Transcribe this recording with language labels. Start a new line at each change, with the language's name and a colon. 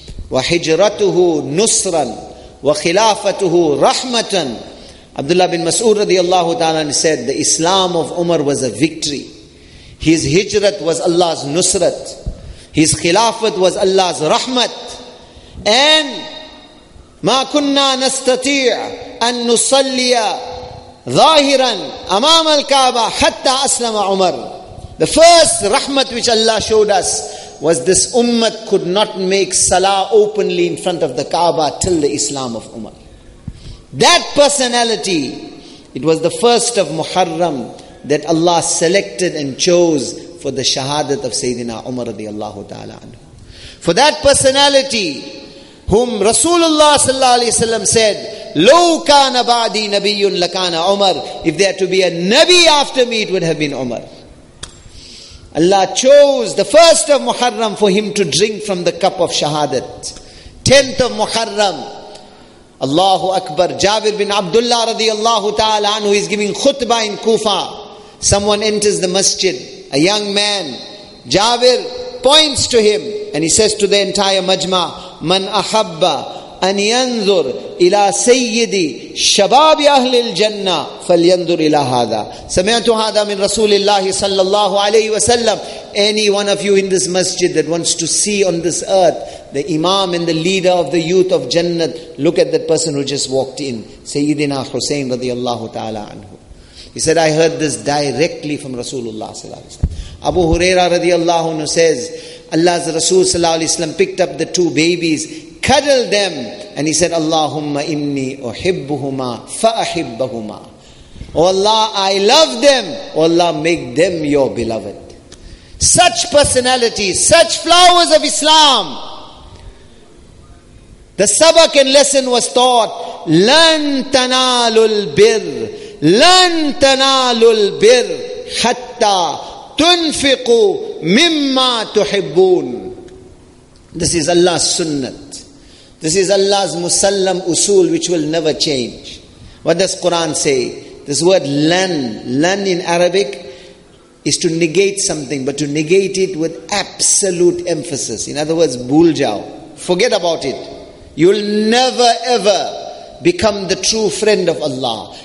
Arabic: وحجرته نصرا وخلافته رحمة.
English: Abdullah bin Mas'ud radiallahu ta'ala said, the Islam of Umar was a victory. His hijrat was Allah's nusrat. His khilafat was Allah's rahmat.
Arabic: And ما كنا نستطيع أن نصلي ظاهرا أمام الكعبة حتى أسلم عمر.
English: The first rahmat which Allah showed us was this ummah could not make salah openly in front of the Kaaba till the Islam of Umar. That personality, it was the first of Muharram that Allah selected and chose for the shahadat of Sayyidina Umar radiallahu ta'ala anhu. For that personality whom Rasulullah sallallahu alayhi wasallam said,
Arabic: لو كان بعدي نبي لكان عمر.
English: If there to be a Nabi after me, it would have been Umar. Allah chose the first of Muharram for him to drink from the cup of Shahadat. 10th of Muharram, Allahu Akbar, Jabir bin Abdullah radiallahu ta'ala anhu is giving khutbah in Kufa. Someone enters the masjid, a young man. Jabir points to him and he says to the entire majma,
Arabic: Man ahabba أن ينظر إلى سيد شباب أهل الجنة فلينظر إلى هذا. سمعت هذا من رسول الله صلى الله عليه وسلم.
English: Any one of you in this masjid that wants to see on this earth the imam and the leader of the youth of Jannat, look at that person who just walked in. Sayyidina Hussein radiallahu ta'ala anhu. He said, I heard this directly from Rasulullah sallallahu alayhi wa sallam. Abu Huraira radiallahu anhu says, Allah's Rasul sallallahu alayhi wa sallam picked up the two babies, cuddled them, and he said,
Arabic: Allahumma inni uhibbuhuma fa'ahibbahuma.
English: Oh Allah, I love them. Oh Allah, make them your beloved. Such personalities, such flowers of Islam. The sabak and lesson was taught,
Arabic: لَن تَنَالُ الْبِرِّ لَن تَنَالُ الْبِرِّ حَتَّى تُنْفِقُوا مِمَّا تُحِبُّونَ.
English: This is Allah's sunnah. This is Allah's musallam usul which will never change. What does Quran say? This word lan, lan in Arabic is to negate something, but to negate it with absolute emphasis. In other words,
Urdu: bhul jao,
English: forget about it. You'll never ever become the true friend of Allah.